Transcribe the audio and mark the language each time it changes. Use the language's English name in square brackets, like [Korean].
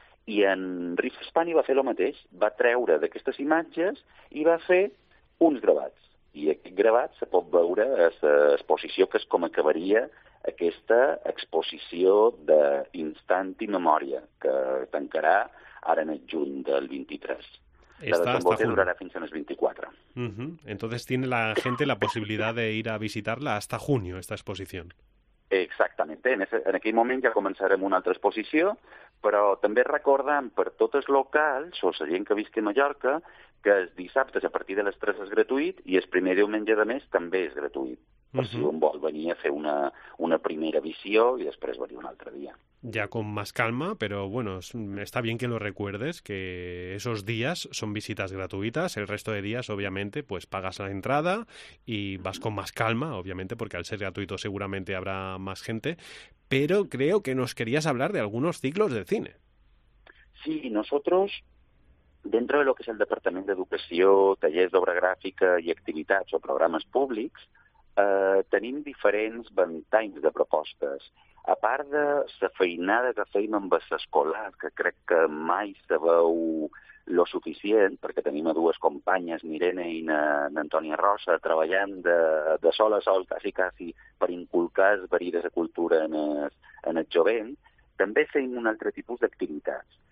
[Catalan] I en Rifa Spani va fer el mateix, va treure d'aquestes imatges i va fer uns gravats. I aquest gravat se pot veure a l'exposició, que és com acabaria aquesta exposició d'Instant i Memòria, que tancarà ara en el juny del 23. [Spanish] Está, la de Tombote [Catalan] durarà fins a les 24. [Spanish] Entonces tiene la gente la posibilidad de ir a visitarla hasta junio, esta exposición. Exactamente. [Catalan] En aquell moment ja començarem una altra exposició, però també recordem per tot el local, o la gent que visqui a Mallorca, que els dissabtes a partir de les 3 és gratuït i el primer diumenge de mes també és gratuït. Per si un vol venir a fer una primera visió i després venir un altre dia. [Spanish] Ja con más calma, pero bueno, está bien que lo recuerdes, que esos días son visitas gratuitas, el resto de días, obviamente, pues pagas la entrada y vas con más calma, obviamente, porque al ser gratuito seguramente habrá más gente, pero creo que nos querías hablar de algunos ciclos de cine. Sí, nosotros, dentro de lo que es el Departamento de Educación, talleres de obra gráfica y actividades o programas públicos, [Catalan] tenim diferents ventalls de propostes. A part de la feinada que fem amb l'escolar, que crec que mai se veu lo suficient, perquè tenim a dues companyes, Mirena i n'Antònia Rosa, treballant de sol a sol, quasi, per inculcar el verí de la cultura en el jovent, també fem un altre tipus d'activitats.